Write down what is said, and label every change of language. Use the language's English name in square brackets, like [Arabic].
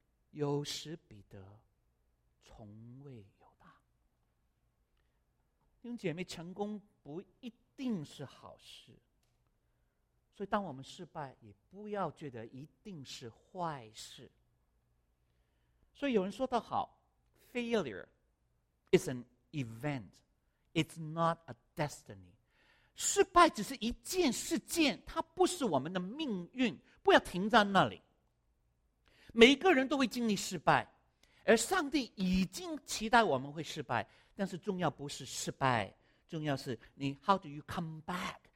[Chinese] 有时彼得，从未犹大。弟兄姐妹，成功不一定是好事，所以当我们失败也不要觉得一定是坏事。所以有人说得好， [English] failure is an event, it's not a destiny. [Chinese] 失败只是一件事件，它不是我们的命运，不要停在那里。每个人都会经历失败，而上帝已经期待我们会失败，但是重要不是失败，重要是你 [English] how do you come back?